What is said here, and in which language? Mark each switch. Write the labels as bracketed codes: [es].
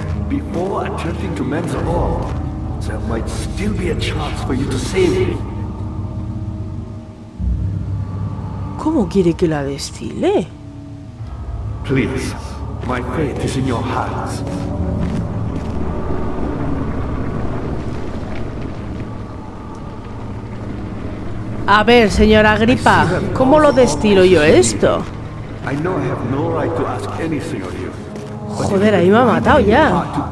[en] Before attempting to mend the wall, there might still be a chance for you to save me. [es] ¿Cómo quiere que la destile? [en] Please, my faith is in your hands. [es] A ver, señora Gripa, ¿cómo lo destilo yo esto? [en] I know I have no right to ask anything of you. [es] Joder, ahí me ha matado ya.